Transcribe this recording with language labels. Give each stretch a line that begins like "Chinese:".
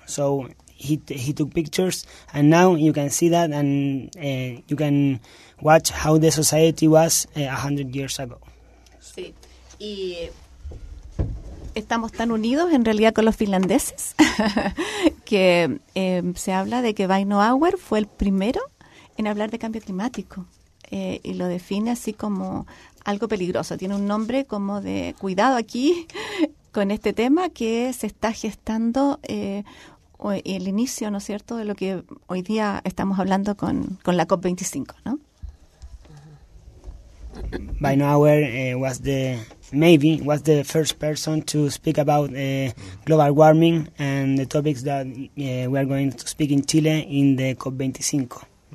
English: So he took pictures, and now you can see that, and you can watch how the society was 100 years ago.
Spanish: Sí, y estamos tan unidos en realidad con los finlandeses que se habla de que Vaino Auer fue el primero en hablar de cambio climático. Y lo define así como algo peligroso. Tiene un nombre como de cuidado aquí con este tema que se está gestando el inicio, ¿no es cierto?, de lo que hoy día estamos hablando con la COP25, ¿no?
English: Vaino Auer was the first person to speak about global warming and the topics that we are going to speak in Chile in the COP25.